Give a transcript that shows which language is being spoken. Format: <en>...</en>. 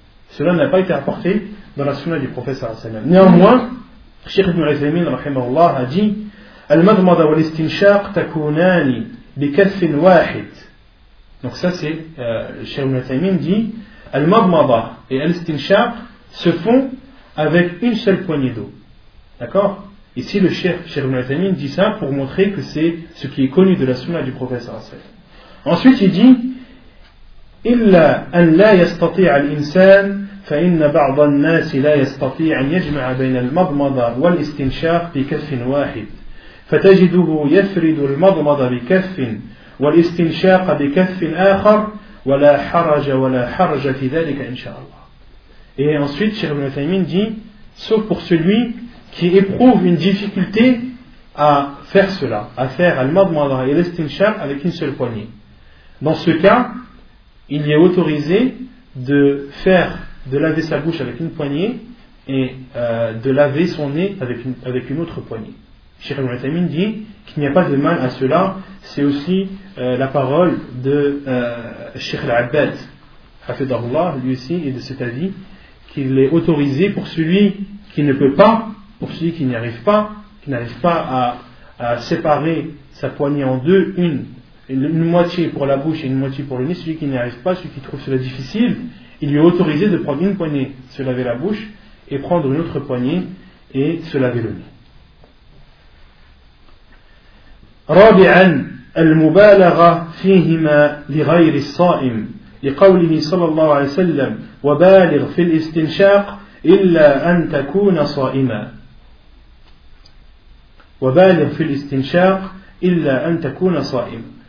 <fr>Cela n'a pas été apporté dans la sunna du prophète sallallahu alayhi wa sallam. Néanmoins, Cheikh Ibn Uthaymeen rahimahullah a dit</fr> <ar>Al-madmada wa al-istinshaq takunani bi kaffin wahid.</ar> <fr>Donc ça c'est, Cheikh Ibn Uthaymeen dit Al-madmada et al-istinshaq se font avec une seule poignée d'eau. D'accord ? Ici le Cheikh Ibn Uthaymeen dit ça pour montrer que c'est ce qui est connu de la sunna du prophète sallallahu alayhi wa sallam.</fr> <ar>Ensuite il dit إلا أن لا يستطيع الإنسان فإن بعض الناس لا يستطيع أن يجمع بين المضمضة والاستنشاق بكف واحد فتجده يفرد المضمضة بكف والاستنشاق بكف آخر ولا حرج ولا حرج في ذلك إن شاء الله.</ar> <fr>Et ensuite Cheikh Ibn Uthaymeen dit sauf pour celui qui éprouve une difficulté à faire cela, à faire المضمضة et الاستنشاق avec une seule poignée. Dans ce cas, il est autorisé de faire, de laver sa bouche avec une poignée et de laver son nez avec une autre poignée. Cheikh Ibn Uthaymeen dit qu'il n'y a pas de mal à cela. C'est aussi la parole de Cheikh Al-Abbad, Hafidahullah, lui aussi, et de cet avis, qu'il est autorisé pour celui qui ne peut pas, pour celui qui n'y arrive pas, qui n'arrive pas à séparer sa poignée en deux, une moitié pour la bouche et une moitié pour le nez, celui qui n'y arrive pas, celui qui trouve cela difficile, il lui est autorisé de prendre une poignée, se laver la bouche, et prendre une autre poignée et se laver le nez.</fr> <ar>رابعا المبالغة فيهما لغير الصائم لقوله صلى الله عليه وسلم وبالغ في الاستنشاق إلا أن تكون صائما وبالغ في الاستنشاق إلا أن تكون صائما.</ar>